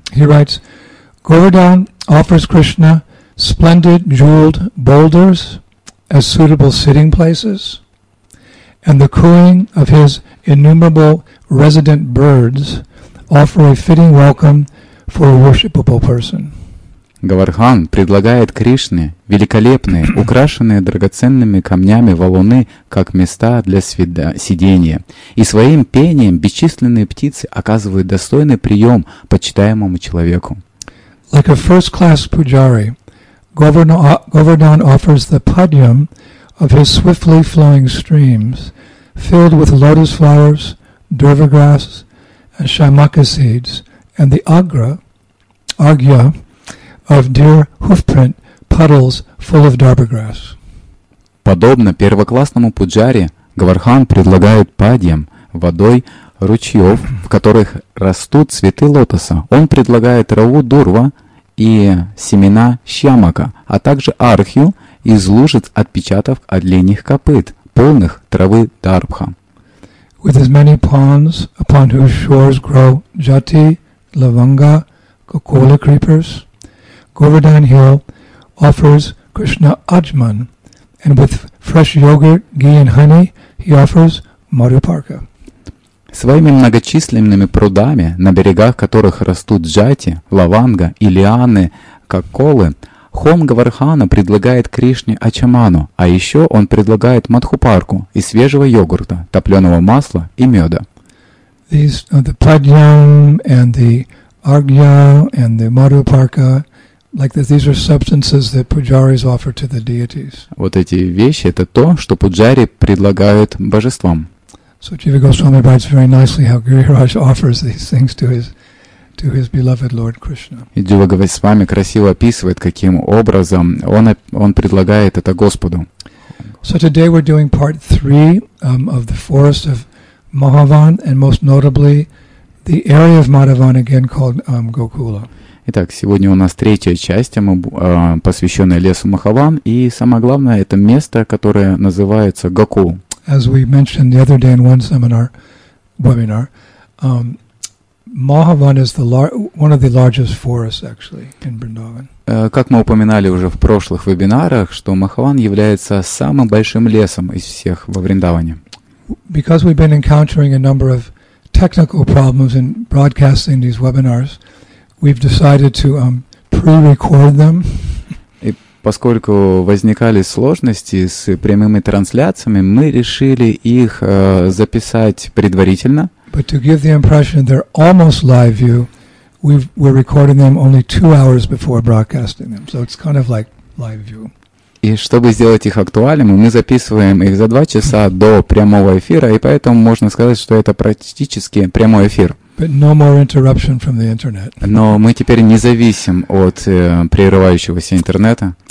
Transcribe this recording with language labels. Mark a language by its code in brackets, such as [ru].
[en] He writes, Govardhan offers Krishna splendid jeweled boulders as suitable sitting places, and the cooing of his innumerable resident birds offer a fitting welcome for a worshipable person. [ru] Говардхан предлагает Кришне великолепные, украшенные драгоценными камнями валуны, как места для сидения. И своим пением бесчисленные птицы оказывают достойный прием почитаемому человеку. [en] Like a first-class pujari, Govardhan offers the podium of his swiftly flowing streams, filled with lotus flowers, durva grass, and shamaka seeds, and the Agya of deer hoofprint puddles full of darbha grass. [ru] Подобно первоклассному пуджаре, Говардхан предлагает падьям водой ручьев, в которых растут цветы лотоса. Он предлагает траву дурва и семена щамака, а также архию из лужиц отпечатков оленьих копыт, полных травы дарбха. [en] With as many ponds upon whose shores grow jati, lavanga, Kokola creepers, Govardhan Hill offers Krishna Ajman, and with fresh yogurt, ghee and honey, he offers Madhuparka. [ru] Своими многочисленными прудами, на берегах которых растут джати, лаванга и лианы, коколы, Хом Говардхана предлагает Кришне Ачаману, а еще он предлагает Мадхупарку из свежего йогурта, топленого масла и меда. [en] These are the Padyam and the Agya and the Madhuparka, Like that these are substances that pujaris offer to the deities. [ru] Вот эти вещи — это то, что пуджари предлагают божествам. [en] So Jiva Goswami writes very nicely how Giriraj offers these things to his beloved Lord Krishna. [ru] И Jiva Goswami красиво описывает, каким образом он предлагает это Господу. [en] So today we're doing part three of the forest of Madhavan, and most notably the area of Madhavan again called Gokula. [ru] Итак, сегодня у нас третья часть, посвященная лесу Махаван, и самое главное — это место, которое называется Гокул. [en] As we mentioned the other day in one seminar, webinar, Махаван is one of the largest forests, actually, in Vrindavan. [ru] Как мы упоминали уже в прошлых вебинарах, что Махаван является самым большим лесом из всех во Вриндаване. [en] Because we've been encountering a number of technical problems in broadcasting these webinars, we've decided to pre-record them. [ru] И поскольку возникали сложности с прямыми трансляциями, мы решили их записать предварительно. [en] But to give the impression they're almost live view, we're recording them only 2 hours before broadcasting them. So it's kind of like live view. [ru] И чтобы сделать их актуальными, мы записываем их за 2 часа до прямого эфира, и поэтому можно сказать, что это практически прямой эфир. [en] But no more interruption from the internet. [ru] Но мы теперь не зависим от прерывающегося интернета.